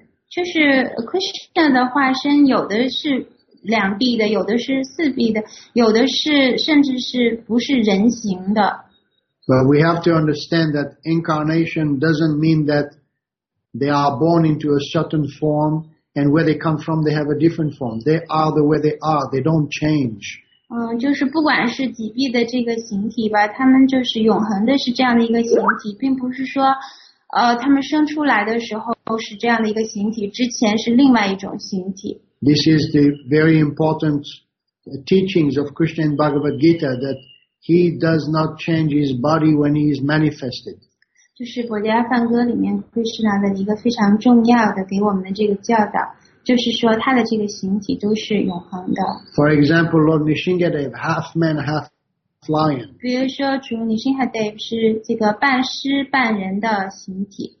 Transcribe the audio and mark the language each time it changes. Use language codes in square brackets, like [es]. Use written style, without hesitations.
[zh] 就是 Krishna 的化身，有的是两臂的，有的是四臂的，有的是甚至是不是人形的。 [en] But we have to understand that incarnation doesn't mean that they are born into a certain form, and where they come from, they have a different form. They are the way they are. They don't change. [zh] 就是不管是几臂的这个形体吧，他们就是永恒的，是这样的一个形体，并不是说。他们生出来的时候是这样的一个形体，之前是另外一种形体。 [en] This is the very important teachings of Krishna in Bhagavad Gita that he does not change his body when he is manifested. [zh] 就是《博迦耶梵歌》里面 Krishna 的一个非常重要的给我们的这个教导，就是说他的这个形体都是永恒的。 [en] For example, Lord Nrisimhadev, half man, half Lion. [zh] 比如说，主 Nrisimhadev 是这个半狮半人的形体。